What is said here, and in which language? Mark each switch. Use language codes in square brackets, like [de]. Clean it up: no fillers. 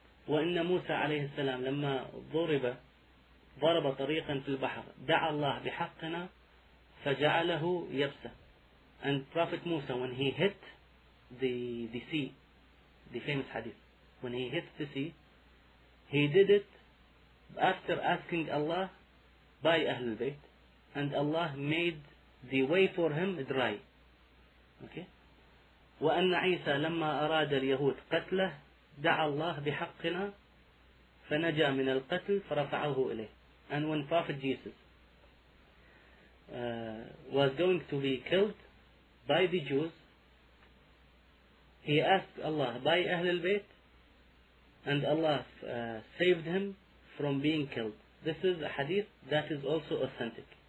[ar] وإن موسى عليه السلام لما ضرب ضرب طريقا في البحر دعا الله بحقنا فجعله يبسى. [en] And Prophet Musa, when he hit the sea, the famous hadith, when he hit the sea, he did it after asking Allah by Ahlul Bayt, and Allah made the way for him dry. Okay. [ar] وأن عيسى لما أراد اليهود قتله دعا الله بحقنا فنجا من القتل فرفعه إليه. [en] And when Prophet Jesus was going to be killed by the Jews, he asked Allah by Ahlul Bayt, and Allah saved him from being killed. This is a hadith that is also authentic.